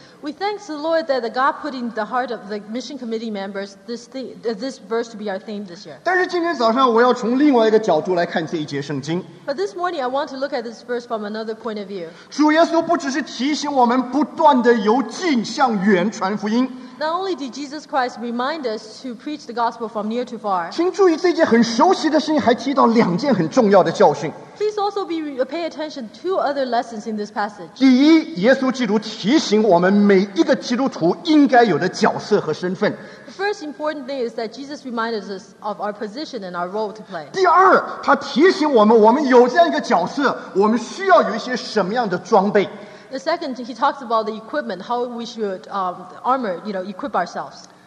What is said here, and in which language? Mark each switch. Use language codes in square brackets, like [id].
[en] We thank the Lord that God put in the heart of the mission committee members this verse to be our theme this year. [zh] 但是今天早上我要从另外一个角度来看这一节圣经。 [en] But this morning I want to look at this verse from another point of view. [zh] 主耶稣不只是提醒我们不断地由近向远传福音。 [en] Not only did Jesus Christ remind us to preach the gospel from near to far. [zh] 请注意这件很熟悉的事情，还提到两件很重要的教训。 [en] Please also pay attention to two other lessons in this passage. [zh] 第一，耶稣基督提醒我们每一个基督徒应该有的角色和身份。 [en] The first important thing is that Jesus reminds us of our position and our role to play. [zh] 第二，他提醒我们，我们有这样一个角色，我们需要有一些什么样的装备。 [en] The second, he talks about the equipment, how we should equip ourselves.